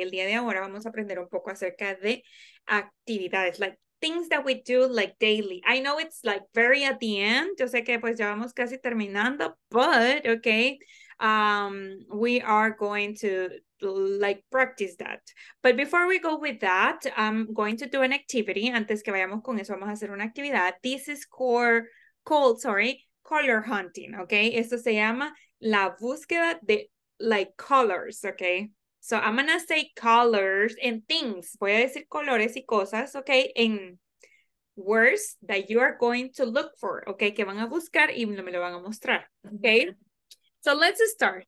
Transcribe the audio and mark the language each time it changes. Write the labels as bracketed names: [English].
[Spanish] El día de ahora vamos a aprender un poco acerca de actividades, [English] like things that we do like daily. I know it's like very at the end. [Spanish] Yo sé que pues ya vamos casi terminando, [English] but okay, we are going to like practice that. But before we go with that, I'm going to do an activity. [Spanish] Antes que vayamos con eso, vamos a hacer una actividad. [English] This is color hunting, okay? [Spanish] Esto se llama la búsqueda de [English] like colors, [Spanish] okay? [English] So I'm gonna say colors and things. [Spanish] Voy a decir colores y cosas, [English] okay? And words that you are going to look for, okay? [Spanish] Que van a buscar y me lo van a mostrar, okay? [English] So let's start.